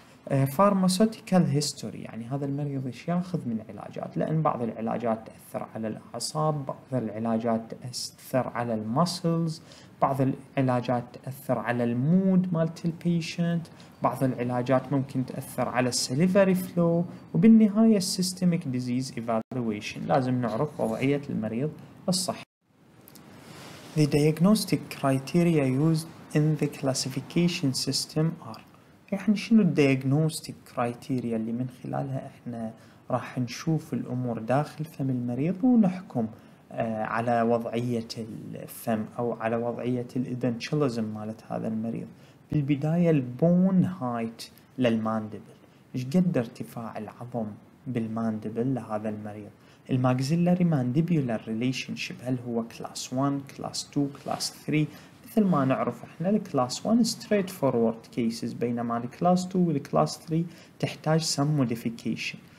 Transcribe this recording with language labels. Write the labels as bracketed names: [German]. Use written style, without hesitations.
[English] Pharmaceutical history، [Arabic] يعني هذا المريض إيش ياخذ من علاجات، لأن بعض العلاجات تأثر على الأعصاب، بعض العلاجات تأثر على المسلز، بعض العلاجات تأثر على المود مالت البيشنت، بعض العلاجات ممكن تأثر على السليفري فلو، وبالنهاية [English] systemic disease evaluation [Arabic] لازم نعرف وضعية المريض الصحي. [English] The diagnostic criteria used in the classification system are [Arabic] يعني شنو الدياجنوستيك كرايتيريا اللي من خلالها احنا راح نشوف الامور داخل فم المريض ونحكم على وضعية الفم او على وضعية الإدنتشلزم مالت هذا المريض. بالبداية البون هايت للماندبل، ايش قد ارتفاع العظم بالماندبل لهذا المريض؟ الماكسيلاري ماندبولار ريليشن شيب، هل هو كلاس 1 كلاس 2 كلاس 3؟ مثل ما نعرف احنا الكلاس 1 ستريت فورورد كيسز، بينما الكلاس 2 والكلاس 3 تحتاج سم موديفيكيشن.